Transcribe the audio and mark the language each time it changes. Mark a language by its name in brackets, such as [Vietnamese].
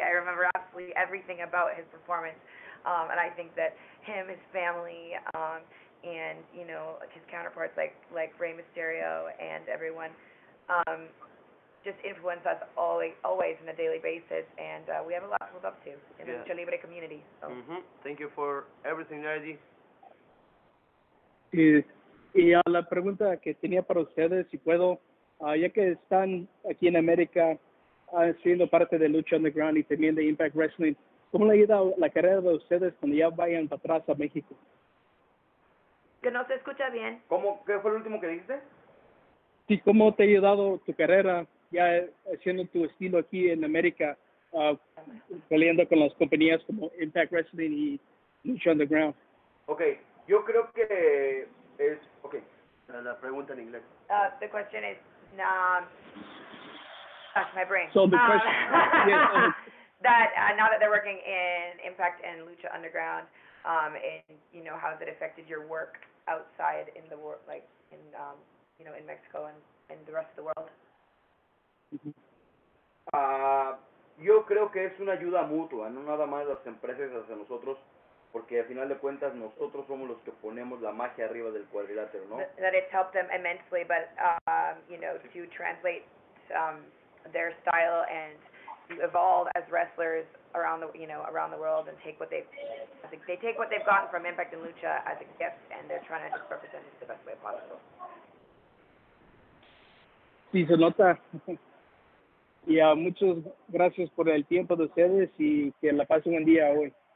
[English] I remember absolutely everything about his performance, and I think that him, his family. And, you know, his counterparts like Rey Mysterio and everyone just influence us always on a daily basis. And we have a lot to look up to in the Lucha Libre community. So. Mm-hmm. Thank you for everything, Nardi. [Spanish] Y a la pregunta que tenía para ustedes, si puedo, ya que están aquí en América siendo parte de Lucha Underground y también de Impact Wrestling, ¿cómo le ha ido la carrera de ustedes cuando ya vayan para atrás a México? Que no se escucha bien. ¿Cómo? ¿Qué fue lo último que dijiste? Sí, ¿cómo te ha ayudado tu carrera ya haciendo tu estilo aquí en América, peleando con las compañías como Impact Wrestling y Lucha Underground? Okay, yo creo que es... Okay, la pregunta en inglés. [English] The question is... my brain. So the question... now that they're working in Impact and Lucha Underground... and, you know, how has it affected your work outside in the world, like, in, you know, in Mexico and the rest of the world? [Spanish] Yo creo que es una ayuda mutua, no nada más las empresas hacia nosotros, porque al final de cuentas nosotros somos los que ponemos la magia arriba del cuadrilátero, ¿no? [English] That it's helped them immensely, but, you know, to translate their style and to evolve as wrestlers around the world and take what they've gotten from Impact and Lucha as a gift, and they're trying to just represent it the best way possible. [Spanish] Sí, se nota. Y muchas gracias por el tiempo de ustedes y que la pasen un día hoy.